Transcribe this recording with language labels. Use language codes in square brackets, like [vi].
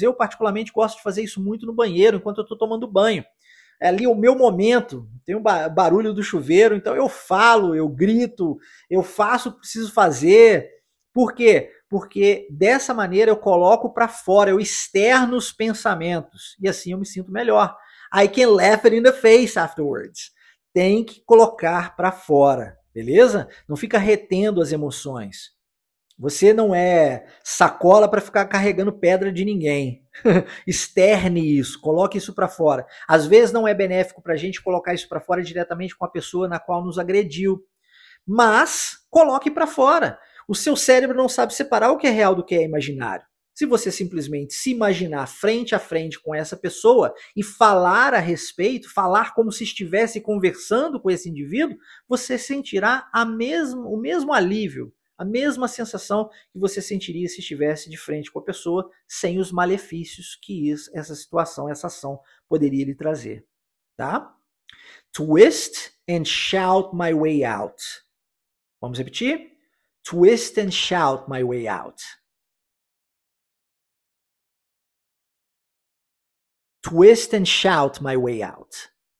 [pt] Eu, particularmente, gosto de fazer isso muito no banheiro, enquanto eu estou tomando banho. É ali o meu momento, tem o barulho do chuveiro, então eu falo, eu grito, eu faço o que preciso fazer. Por quê? Porque dessa maneira eu coloco para fora, eu externo os pensamentos e assim eu me sinto melhor. [en] I can laugh it in the face afterwards. [pt] Tem que colocar para fora, beleza? Não fica retendo as emoções. Você não é sacola para ficar carregando pedra de ninguém. Externe isso, coloque isso para fora. Às vezes não é benéfico para a gente colocar isso para fora diretamente com a pessoa na qual nos agrediu. Mas coloque para fora. O seu cérebro não sabe separar o que é real do que é imaginário. Se você simplesmente se imaginar frente a frente com essa pessoa e falar a respeito, falar como se estivesse conversando com esse indivíduo, você sentirá o mesmo alívio. A mesma sensação que você sentiria se estivesse de frente com a pessoa, sem os malefícios que essa situação, essa ação poderia lhe trazer. Tá? [en] Twist and shout my way out. [pt] Vamos repetir? [en] Twist and shout my way out. Twist and shout my way out.